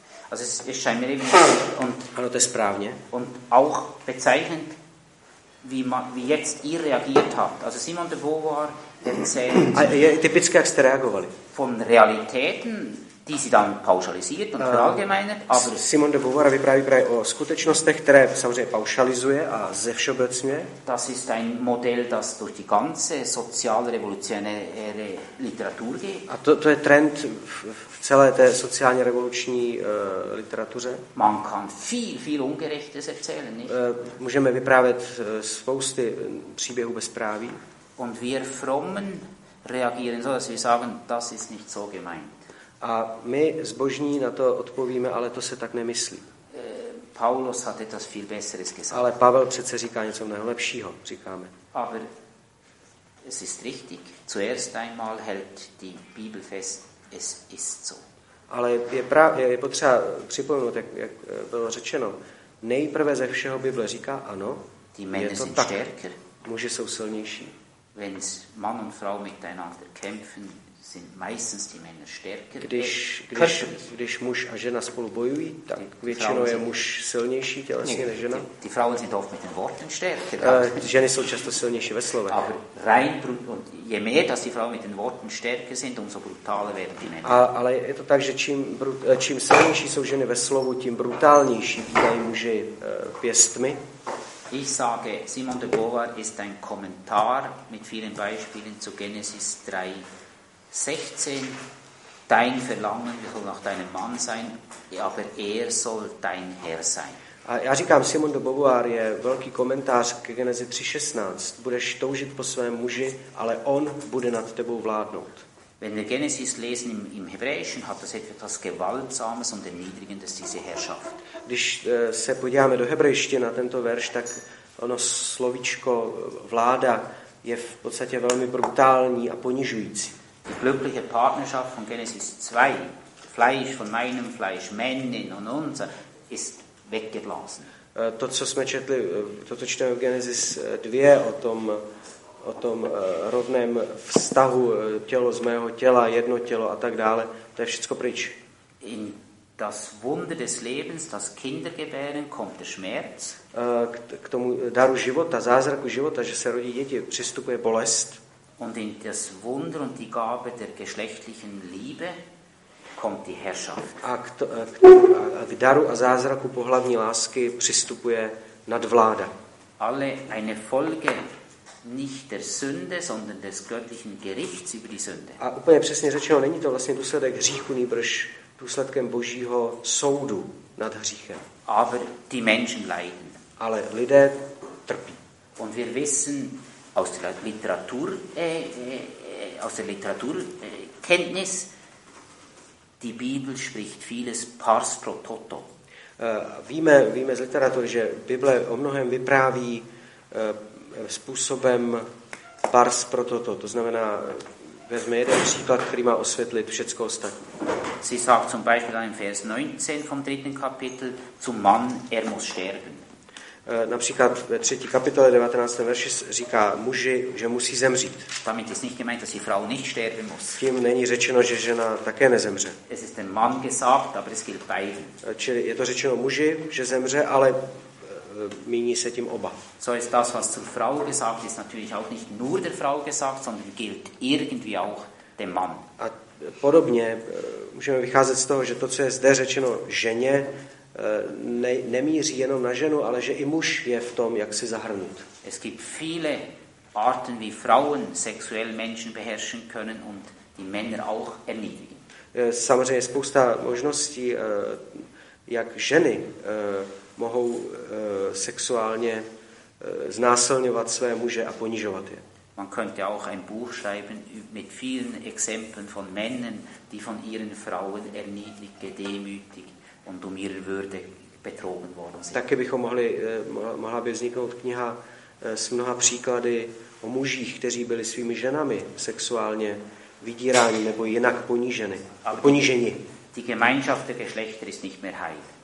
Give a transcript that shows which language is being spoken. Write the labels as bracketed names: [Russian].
[German] Also es scheint mir eben [Czech] und, ano, to je správně. [German] Und auch bezeichnend wie jetzt ihr reagiert habt. Also Simone de Beauvoir erzählt [Czech] typicky, jak jste reagovali. [German] Von Realitäten, die sie dann pauschalisiert und verallgemeinert. [Czech] Aber Simone de Beauvoir vypráví právě o skutečnostech, které samozřejmě paušalizuje a zevšeobecňuje. [German] Das ist ein Modell, das durch die ganze sozialrevolutionäre Literatur geht. [Czech] A to je trend v celé té sociálně revoluční literatuře. [German] Man kann viel, viel Ungerechtes erzählen, nicht? [Czech] Můžeme vyprávět spousty příběhů bezpráví. [German] Und wir frommen reagieren so, dass wir sagen, das ist nicht so gemeint. [Czech] A my zbožní na to odpovíme, ale to se tak nemyslí. [German] Paulus hat etwas viel besseres gesagt. [Czech] Ale Pavel přece říká něco mnohem lepšího, říkáme. [German] Aber es ist richtig. Zuerst einmal hält die Bibel fest, es ist so. [Czech] Ale je potřeba připomenout, jak bylo řečeno, nejprve ze všeho Bible říká ano, [German] die Männer [Czech] je to [German] sind [Czech] tak, [German] stärker. [Czech] Muži jsou silnější. [German] Wenn's Mann und Frau miteinander kämpfen, sind meistens die Männer stärker. [Czech] Když muž a žena spolu bojují, tak většinou je muž silnější tělesně než žena. [German] Die Frauen sind oft mit den Worten stärker. [Czech] Ženy jsou často silnější ve slovech. [German] Aber rein und je mehr, dass die Frauen mit den Worten stärker sind, umso brutaler werden die Männer. [Czech] Ale je to tak, že čím silnější jsou ženy ve slovu, tím brutálnější bývají muži pěstmi. [German] Ich sage, Simone de Beauvoir ist ein Kommentar mit vielen Beispielen zu Genesis 3:16. Dein Verlangen soll nach deinem Mann sein, aber er soll dein Herr sein. [Czech] A já říkám, Simone de Beauvoir je velký komentář k Genesis 3:16. Budeš toužit po svém muži, ale on bude nad tebou vládnout. [German] Wenn wir Genesis lesen im Hebräischen, hat das etwas Gewaltsames und Erniedrigendes, diese Herrschaft. [Czech] Když se podíváme do hebrejštiny na tento verš, tak ono slovíčko vláda je v podstatě velmi brutální a ponižující. [German] Die glückliche Partnerschaft von Genesis 2, Fleisch von meinem Fleisch, Männin und unser, ist weggeblasen. [Czech] To, co jsme četli, toto čteme v Genesis 2 o tom rovném vztahu tělo z mého těla, jedno tělo a tak dále, to je všecko pryč. [German] In das Wunder des Lebens, das Kindergebären, kommt der Schmerz. [Czech] K tomu daru života, zázraku života, že se rodí děti, přistupuje bolest. [German] Und in das Wunder und die Gabe der geschlechtlichen Liebe kommt die Herrschaft. [Czech] A k daru a zázraku pohlavní lásky přistupuje nadvláda. Ale [German] eine Folge nicht der Sünde, sondern des göttlichen Gerichts über die Sünde. [Czech] A úplně přesně řečeno, není to vlastně důsledek hříchu, nýbrž důsledkem Božího soudu nad hříchem. [German] Aber die Menschen leiden. [Czech] Ale lidé trpí. [German] Und wir wissen aus der Literaturkenntnis, die Bibel spricht vieles pars pro toto. [Czech] Víme z literatury, že Bible o mnohem vypráví způsobem pars pro toto. To znamená, vezme jeden příklad, který má osvětlit všecko ostatní. [German] Sie sagt zum Beispiel in Vers 19 vom dritten Kapitel zum Mann, er muss sterben. [Czech] Například ve 3. kapitole 19. verši říká muži, že musí zemřít. [German] Damit ist nicht gemeint, dass die Frau nicht sterben muss. [Czech] Tím není řečeno, že žena také nezemře. [German] Es ist dem Mann gesagt, aber es gilt beiden. [Czech] Čili je to řečeno muži, že zemře, ale míní se tím oba. [German] So ist das, was zur Frau gesagt ist, natürlich auch nicht nur der Frau gesagt, sondern gilt irgendwie auch dem Mann. [Czech] A podobně můžeme vycházet z toho, že to, co je zde řečeno ženě, nemíří jenom na ženu, ale že i muž je v tom, jak si zahrnout. [German] Es gibt viele Arten, wie Frauen sexuell Menschen beherrschen können und die Männer auch erniedrigen. [Czech] Samozřejmě je spousta možností, jak ženy mohou sexuálně znásilňovat své muže a ponižovat je. [German] Man könnte auch ein Buch schreiben mit vielen Exemplen von Männern, die von ihren Frauen erniedrigt, gedemütigt und um ihre Würde betrogen worden sind. [Czech] Taky bychom mohla by vzniknout kniha s mnoha příklady o mužích, kteří byli svými ženami sexuálně vydíráni nebo jinak poníženi. [German] Die Gemeinschaft der Geschlechter ist nicht mehr heil.